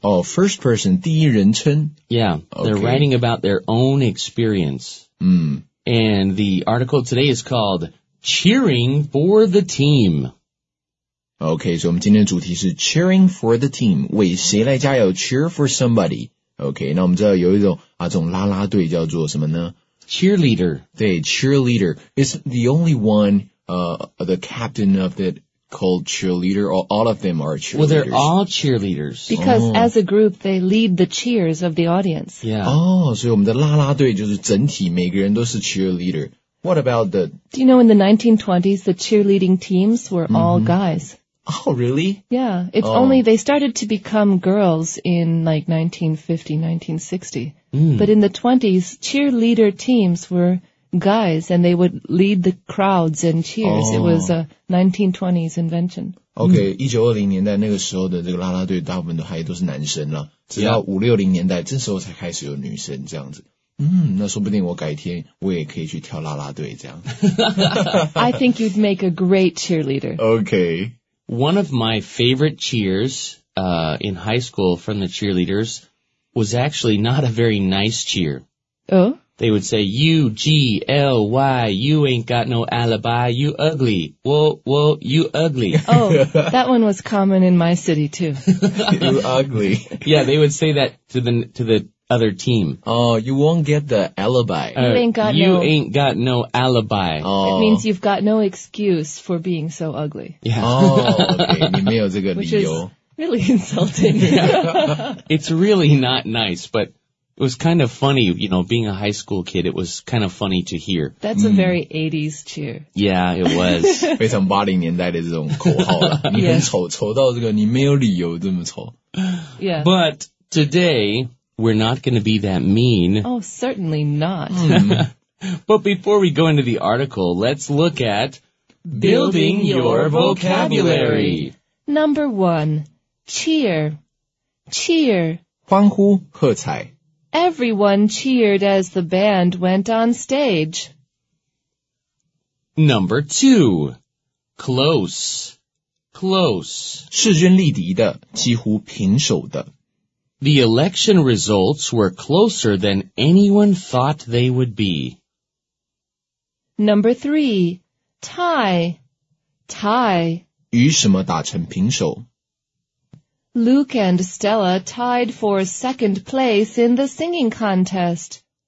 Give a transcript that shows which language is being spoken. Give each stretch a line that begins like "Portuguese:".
English: Oh, first person,
Chinese: 第一人称
English: Yeah, they're writing about their own experience. And the article today is called Cheering for the Team.
Chinese: Okay, so 我们今天的主题是 Cheering for the Team, 为谁来加油
English: Cheer for somebody.
Chinese: Okay, 那我们知道有一种这种拉拉队叫做什么呢
English: Cheerleader.
Chinese: 对 Cheerleader.
English: Is the only one, the captain of that called cheerleader, or all of them are cheerleaders? Well, they're all cheerleaders. Because as a group, they lead the cheers of the audience. Yeah.
Chinese: Oh, so 我们的啦啦队就是整体每个人都是 cheerleader.
English: What about the... Do you know in the 1920s, the cheerleading teams were all guys? Oh, really? Yeah. It's only they started to become girls in like 1950, 1960. But in the 20s, cheerleader teams were... guys, and they would lead the crowds and cheers. It was a 1920s invention.
Chinese: Okay, 1920年代那个时候的这个啦啦队大部分都还都是男生啦。直到560年代这时候才开始有女生这样子。那说不定我改天我也可以去跳啦啦队这样。
English: I think you'd make a great cheerleader. Okay. One of my favorite cheers, in high school from the cheerleaders was actually not a very nice cheer. Oh? They would say, U-G-L-Y, you ain't got no alibi, you ugly. Whoa, whoa, you ugly. Oh, that one was common in my city, too. You ugly. Yeah, they would say that to the other team. Oh, you won't get the alibi. You ain't got no alibi. Oh. It means you've got no excuse for being so ugly. Yeah.
Chinese: Oh, okay, 你没有这个理由。
English: Which is really insulting. It's really not nice, but... It was kind of funny, you know, being a high school kid, it was kind of funny to hear. That's a very 80s cheer. Yeah, it was.
Chinese: 非常80年代的这种口号了。你很丑,丑到这个,你没有理由这么丑。
English: Yeah. But today, we're not going to be that mean. Oh, certainly not. But before we go into the article, let's look at... Building your vocabulary. Number one, cheer. Cheer.
Chinese: 欢呼,喝彩。
English: Everyone cheered as the band went on stage. Number two. Close. Close.
Chinese: 势均力敌的,几乎平手的。
English: The election results were closer than anyone thought they would be. Number three. Tie. Tie.
Chinese: 与什么打成平手?
English: Luke and Stella tied for second place in the singing contest.